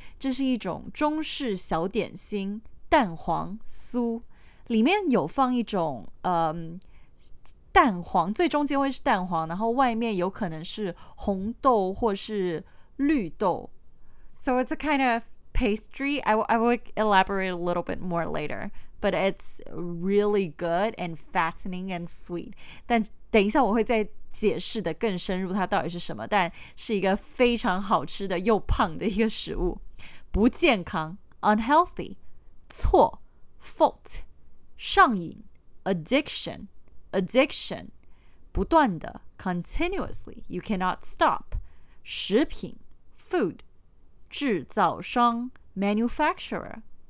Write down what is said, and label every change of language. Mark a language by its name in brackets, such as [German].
[Chinese] 这是一种中式小点心，蛋黄酥，里面有放一种蛋黄，最中间会是蛋黄，然后外面有可能是红豆或是绿豆。 [English] So it's a kind of pastry. I will elaborate a little bit more later. But it's really good and fattening and sweet. [Chinese] 但等一下我会再解释的更深入它到底是什么，但是一个非常好吃的又胖的一个食物。 [English] 不健康 unhealthy, 错 fault, 上瘾 addiction, 不断的 continuously, you cannot stop, 食品 food, 制造商 manufacturer。